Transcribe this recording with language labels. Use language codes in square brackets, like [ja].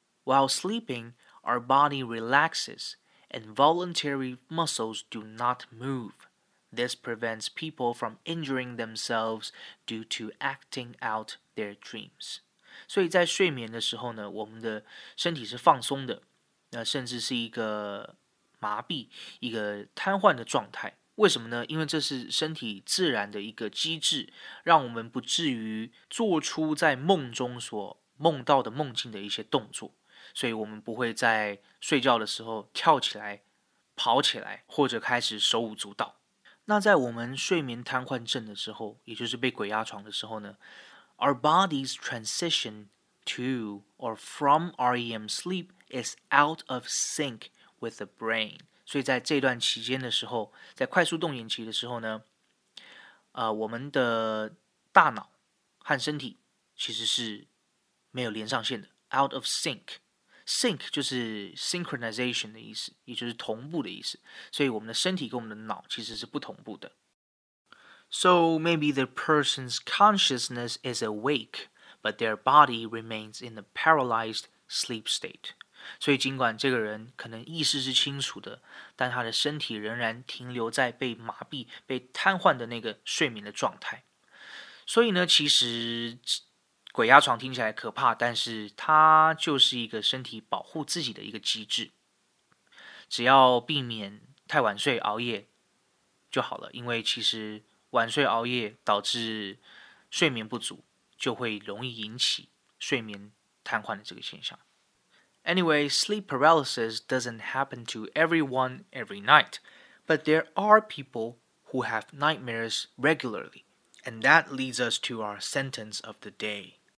[en] While sleeping, our body relaxes, and voluntary muscles do not move. This prevents people from injuring themselves due to acting out their dreams. [zh] 所以在睡眠的时候呢，我们的身体是放松的，那甚至是一个麻痹，一个瘫痪的状态。为什么呢？因为这是身体自然的一个机制，让我们不至于做出在梦中所梦到的梦境的一些动作，所以我们不会在睡觉的时候跳起来、跑起来，或者开始手舞足蹈。那在我们睡眠瘫痪症的时候，也就是被鬼压床的时候呢， [en] Our body's transition to or from REM sleep is out of sync with the brain. [zh] 所以在这段期间的时候，在快速动眼期的时候呢，我们的大脑和身体其实是没有连上线的 ，out of sync。 sync 就是 synchronization 的意思，也就是同步的意思。所以我们的身体跟我们的脑其实是不同步的。 [en] So maybe the person's consciousness is awake, but their body remains in a paralyzed sleep state. [zh] 所以尽管这个人可能意识是清楚的，但他的身体仍然停留在被麻痹、被瘫痪的那个睡眠的状态。所以呢，其实鬼压床听起来可怕，但是它就是一个身体保护自己的一个机制。只要避免太晚睡、熬夜就好了，因为其实晚睡熬夜导致睡眠不足，就会容易引起睡眠瘫痪的这个现象。 [en] Anyway, sleep paralysis doesn't happen to everyone every night, but there are people who have nightmares regularly. And that leads us to our sentence of the day.